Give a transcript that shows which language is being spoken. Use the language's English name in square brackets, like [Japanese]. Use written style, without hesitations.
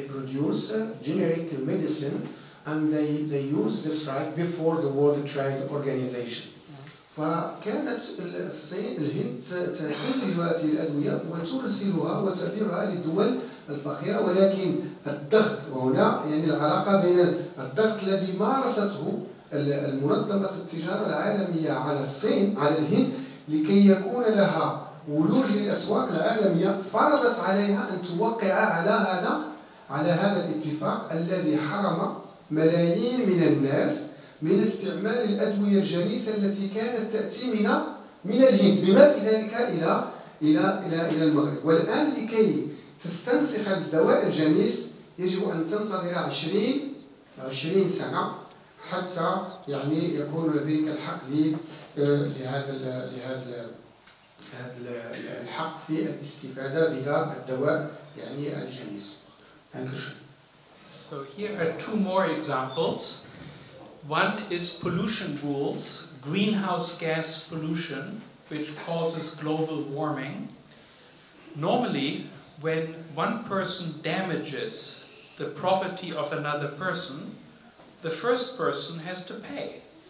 [English] They produce generic medicine and they use this right before the World Trade Organization. [Arabic] فكانت الصين الهند تنتج هذه الأدوية وترسلها وتبيعها للدول الفقيرة، ولكن الضغط هنا يعني العلاقة بين الضغط الذي مارسته المنظمة التجارة العالمية على الصين على الهند لكي يكون لها ولوج للأسواق العالمية، فرضت عليها أن توقع على هذا الاتفاق الذي حرم ملايين من الناس من استعمال الأدوية الجنيسة التي كانت تأتي من الهند بما في ذلك إلى المغرب. والآن لكي تستنسخ الدواء الجنيس يجب أن تنتظر 20 سنة حتى يعني يكون لديك الحق لهذا الحق في الاستفادة بالدواء يعني الجنيس. [English] So here are two more examples. One is pollution rules, greenhouse gas pollution, which causes global warming. Normally, when one person damages the property of another person, the first person has to pay.